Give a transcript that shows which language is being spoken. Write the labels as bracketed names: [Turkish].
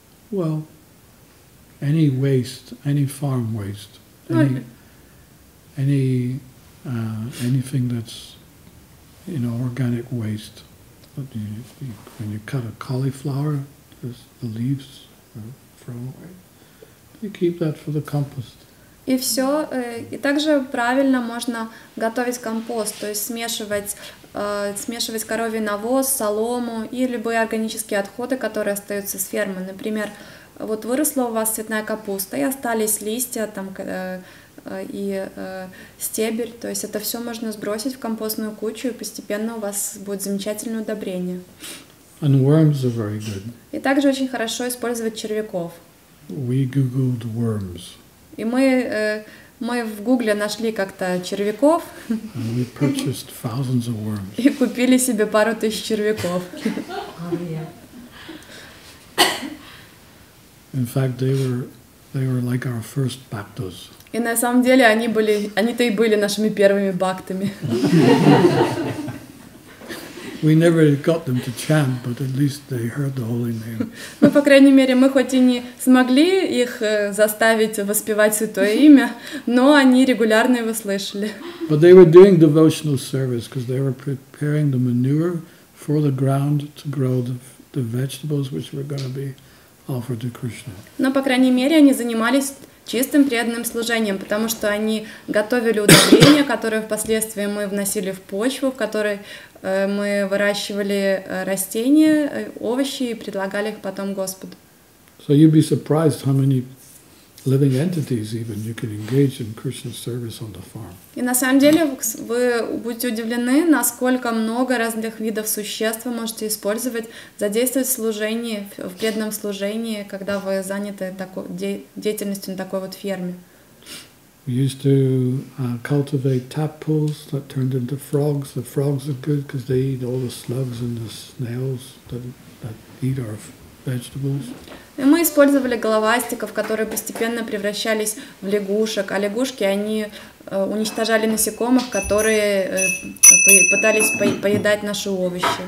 [English] Well, any waste, any farm waste, anything that's, you know, organic waste. But when you cut a cauliflower, the leaves. You keep that for the compost. [Russian] И все, и также правильно можно готовить компост, то есть смешивать коровий навоз, солому и любые органические отходы, которые остаются с фермы. Например, вот выросла у вас цветная капуста, и остались листья там и стебель, то есть это все можно сбросить в компостную кучу, и постепенно у вас будет замечательное удобрение. [English] And worms are very good. [Russian] И также очень хорошо использовать червяков. [English] We googled worms. [Russian] И мы в Гугле нашли как-то червяков. [English] And we purchased thousands of worms. [Russian] И купили себе пару тысяч червяков. [English] In fact, they were like our first bactos. [Russian] И на самом деле они-то и были нашими первыми бактами. [English] We never got them to chant, but at least they heard the holy name. [Russian] Ну, по крайней мере, мы хоть и не смогли их заставить воспевать святое имя, но они регулярно его слышали. [English] But they were doing devotional service because they were preparing the manure for the ground to grow the vegetables which were going to be offered to Krishna. [Russian] Но, по крайней мере, они занимались чистым преданным служением, потому что они готовили удобрения, которые впоследствии мы вносили в почву, в которой мы выращивали растения, овощи и предлагали их потом Господу. [English] So you'd be surprised how many living entities even you can engage in Krishna service on the farm. [Russian] И на самом деле вы будете удивлены, насколько много разных видов существ вы можете использовать, задействовать в служении, в преданном служении, когда вы заняты деятельностью на такой вот ферме. [English] We used to cultivate tadpoles that turned into frogs. The frogs are good because they eat all the slugs and the snails that eat our vegetables. [Russian] И мы использовали головастиков, которые постепенно превращались в лягушек, а лягушки, они уничтожали насекомых, которые пытались поедать наши овощи.